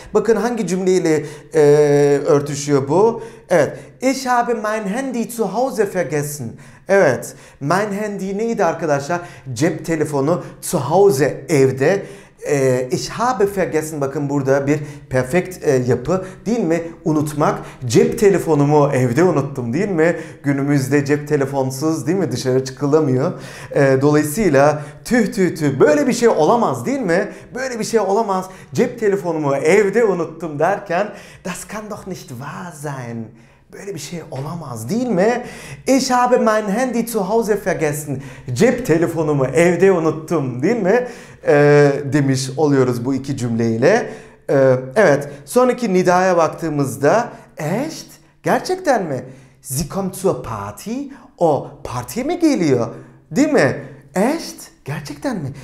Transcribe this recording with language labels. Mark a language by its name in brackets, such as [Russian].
[Turkish] Bakın hangi cümleyle örtüşüyor bu? Evet. [German] Ich habe mein Handy zu Hause vergessen. [Turkish] Evet. [German] Mein Handy [Turkish] neydi arkadaşlar? Cep telefonu [German] zu Hause [Turkish] evde. [German] Ich habe vergessen. [Turkish] Bakın burada bir perfekt yapı değil mi? Unutmak. Cep telefonumu evde unuttum değil mi? Günümüzde cep telefonsuz değil mi? Dışarı çıkılamıyor. Dolayısıyla tüh tüh tüh. Böyle bir şey olamaz değil mi? Böyle bir şey olamaz. Cep telefonumu evde unuttum derken [German] Das kann doch nicht wahr sein. [Turkish] Böyle bir şey olamaz değil mi? [German] Ich habe mein Handy zu Hause vergessen. [Turkish] Cep telefonumu evde unuttum değil mi? Demiş oluyoruz bu iki cümleyle. Evet, sonraki nidaya baktığımızda Echt? Gerçekten mi? [German] Sie kommt zur Party? [Turkish] O partiye mi geliyor? Değil mi? Echt? Gerçekten mi?